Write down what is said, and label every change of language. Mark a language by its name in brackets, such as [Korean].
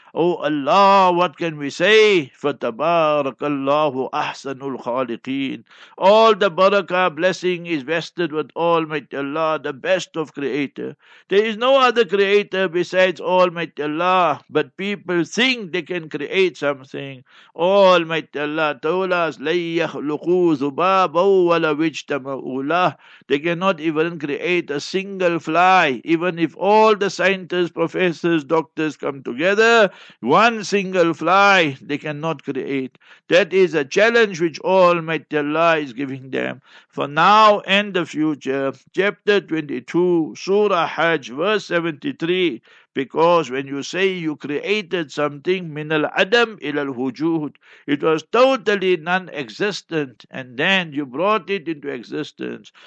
[English] Oh Allah, what can we say? [Arabic] فَتَبَارَكَ أَحْسَنُ الْخَالِقِينَ. [English] All the barakah, blessing is vested with Almighty Allah, the best of creator. There is no other creator besides Almighty Allah, but people think they can create something. Almighty may Allah told us, [Arabic] لَيَّخْلُقُوا ذُبَابًا وَلَوْ اجْتَمَعُوا لَهُ. [English] They cannot even create a single fly. Even if all the scientists, professors, doctors come together, one single fly they cannot create. That is a challenge which Almighty Allah is giving them. For now and the future, chapter 22, Surah Hajj, verse 73, because when you say you created something, [Arabic] min al-adam ila al-wujud, [English] it was totally non-existent, and then you brought it into existence.